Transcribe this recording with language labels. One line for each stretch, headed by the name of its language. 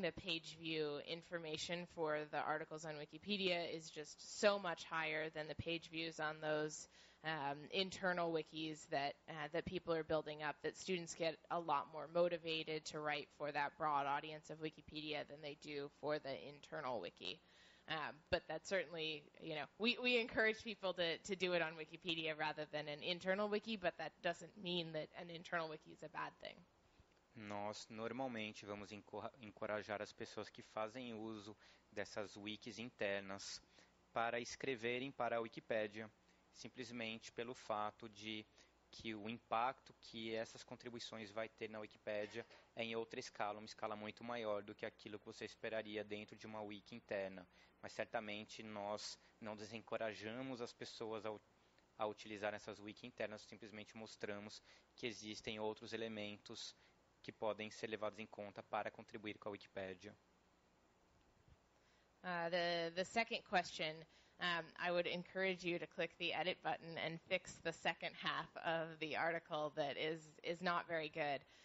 English: The page view information for the articles on Wikipedia is just so much higher than the page views on those internal wikis that that people are building up, that students get a lot more motivated to write for that broad audience of Wikipedia than they do for the internal wiki. But that's certainly, you know, we encourage people to do it on Wikipedia rather than an internal wiki, but that doesn't mean that an internal wiki is a bad thing.
Portuguese: Nós normalmente vamos encorajar as pessoas que fazem uso dessas wikis internas para escreverem para a Wikipédia, simplesmente pelo fato de que o impacto que essas contribuições vai ter na Wikipédia é em outra escala, uma escala muito maior do que aquilo que você esperaria dentro de uma wiki interna. Mas certamente nós não desencorajamos as pessoas a utilizar essas wiki internas, simplesmente mostramos que existem outros elementos que podem ser levados em conta para contribuir com a Wikipédia.
English: The second question, I would encourage you to click the edit button and fix the second half of the article that is not very good.